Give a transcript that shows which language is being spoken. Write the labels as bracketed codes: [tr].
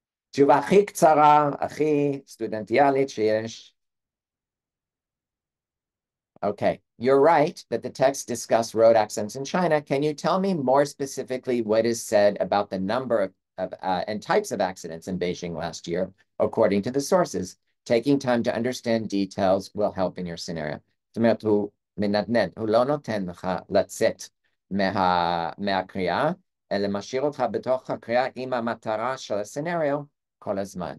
[he] תשובה הכי קצרה, הכי סטודנטיאלית שיש. [en] Okay, you're right that the text discusses road accidents in China. Can you tell me more specifically what is said about the number and types of accidents in Beijing last year, according to the sources? Taking time to understand details will help in your scenario. [he] זאת אומרת, הוא מנדנד, הוא לא נותן לך לצאת מהקריאה, אלא משאיר אותך בתוך הקריאה עם המטרה של הסנריו כל הזמן.